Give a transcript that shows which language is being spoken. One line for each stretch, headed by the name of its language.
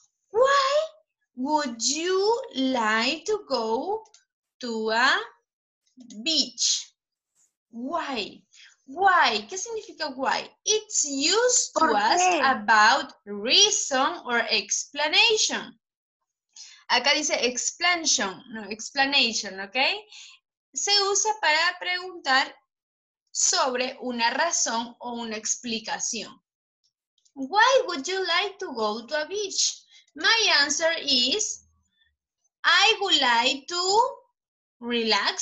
English: Why would you like to go to a beach? Why? Why?
Spanish: ¿Qué significa why?
English: It's used to ask about reason or explanation.
Spanish: Acá dice explanation, no, explanation, ¿ok? Se usa para preguntar sobre una razón o una explicación.
English: Why would you like to go to a beach? My answer is, I would like to relax.